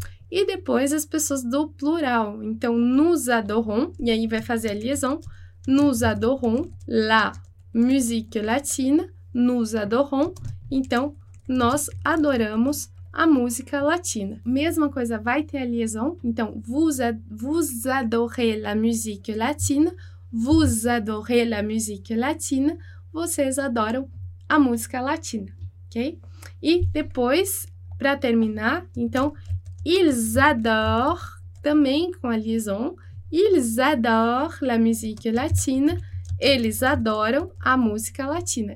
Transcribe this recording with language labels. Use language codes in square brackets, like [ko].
[pt] E depois as pessoas do plural. Então, [fr] nous adorons, [pt] e aí vai fazer a liaison. [fr] Nous adorons la musique latina. Nous adorons. [pt] Então, nós adoramos a música latina. Mesma coisa, vai ter a liaison. Então, [fr] vous adorez la musique latina. Vous adorez la musique latina. [pt] Vocês adoram a música latina, ok? E depois, para terminar, então, [fr] ils adorent, [pt] também com a liaison, [fr] ils adorent la musique latina, [pt] eles adoram a música latina.